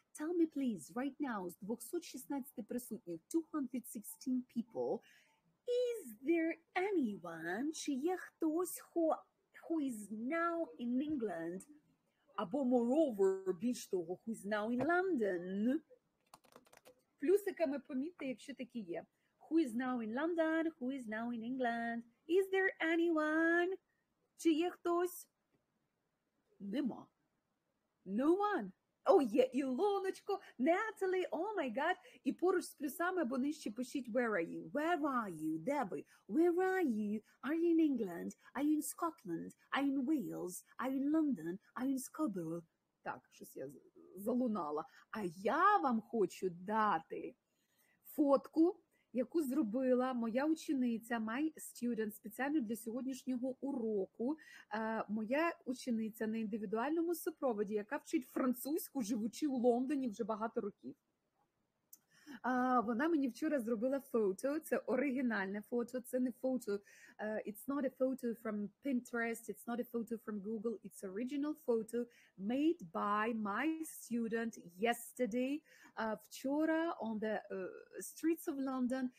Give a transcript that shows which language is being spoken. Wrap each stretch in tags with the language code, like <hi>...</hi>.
<en>Tell me, please, right now,</en> <uk>з 216 присутніх,</uk> <en>216 people, is there anyone,</en> <uk>чи є хтось,</uk> <en>who is now in England, або, moreover,</en> <uk>більш того,</uk> <en>who is now in London?</en> <uk>Плюсиками помітьте, якщо такі є.</uk> <en>Who is now in London, who is now in England? Is there anyone,</en> <uk>чи є хтось? Нема.</uk> <en>No one.</en> <uk>О, є Ілоночко,</uk> <en>Natalie, oh my God. І поруч з плюсами або нижче пишіть where are you? Where are you?</en> <uk>Де ви?</uk> <en>Where are you? Are you in England? Are you in Scotland? Are you in Wales? Are you in London? Are you in Scarborough?</en> <uk>Так, щось я залунала. А я вам хочу дати фотку, яку зробила моя учениця, my student, спеціально для сьогоднішнього уроку. Моя учениця на індивідуальному супроводі, яка вчить французьку, живучи у Лондоні вже багато років. Вона мені вчора зробила фото, це оригінальне фото, це не фото.</uk> <en>It's not a photo from Pinterest, it's not a photo from Google, it's original photo made by my student yesterday,</en> <uk>вчора</uk> <en>on the streets of London.</en>